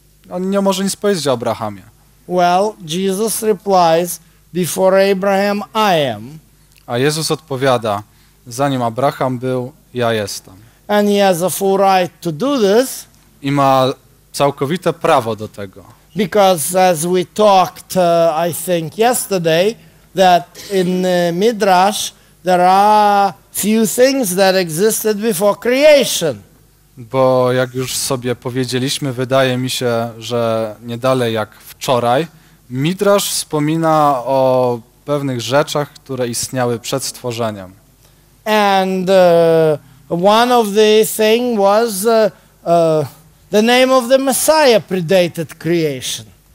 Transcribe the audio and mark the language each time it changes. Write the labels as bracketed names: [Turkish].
[Polish] On nie może nic powiedzieć o Abrahamie. [English] Well, Jesus replies, before Abraham I am. [Polish] A Jezus odpowiada, zanim Abraham był, ja jestem. [English] And he has a full right to do this. [Polish] I ma całkowite prawo do tego. [English] Because as we talked, I think yesterday, that in Midrash there are few things that existed before creation. [Polish] Bo jak już sobie powiedzieliśmy, wydaje mi się, że nie dalej jak wczoraj, Midrasz wspomina o pewnych rzeczach, które istniały przed stworzeniem. [English] And one of the thing was the name of the Messiah predated creation.